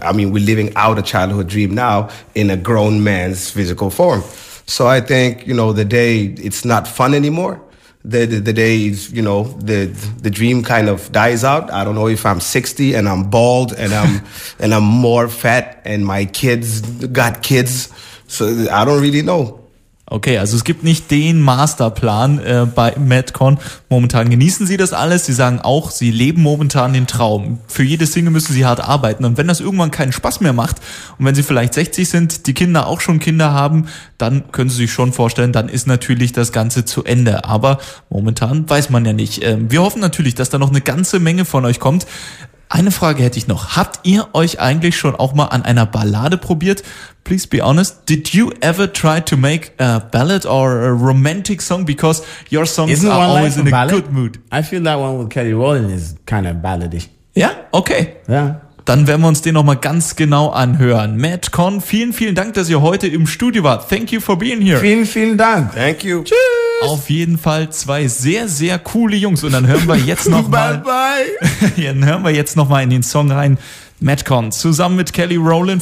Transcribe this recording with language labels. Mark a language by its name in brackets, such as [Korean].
[English] I mean, we're living out a childhood dream now in a grown man's physical form. So I think, you know, the day it's not fun anymore, the day is, you know, the dream kind of dies out. I don't know if I'm 60 and I'm bald and I'm and I'm more fat and my kids got kids. So I don't really know. [German] Okay, also es gibt nicht den Masterplan bei Madcon. Momentan genießen sie das alles. Sie sagen auch, sie leben momentan den Traum. Für jede Single müssen sie hart arbeiten. Und wenn das irgendwann keinen Spaß mehr macht und wenn sie vielleicht 60 sind, die Kinder auch schon Kinder haben, dann können sie sich schon vorstellen, dann ist natürlich das Ganze zu Ende. Aber momentan weiß man ja nicht. Wir hoffen natürlich, dass da noch eine ganze Menge von euch kommt. Eine Frage hätte ich noch. Habt ihr euch eigentlich schon auch mal an einer Ballade probiert? [English] Please be honest. Did you ever try to make a ballad or a romantic song? Because your songs isn't are always in a ballad? Good mood. I feel that one with Kelly Rowland is kind of ballady. Yeah? Okay. Yeah. [German] Dann werden wir uns den nochmal ganz genau anhören. Madcon, vielen, vielen Dank, dass ihr heute im Studio wart. [English] Thank you for being here. [German] Vielen, vielen Dank. [English] Thank you. [German] Tschüss. Auf jeden Fall zwei sehr, sehr coole Jungs. Und dann hören wir jetzt nochmal. [English] Bye-bye. [German] Dann hören wir jetzt nochmal in den Song rein. Madcon zusammen mit Kelly Rowland.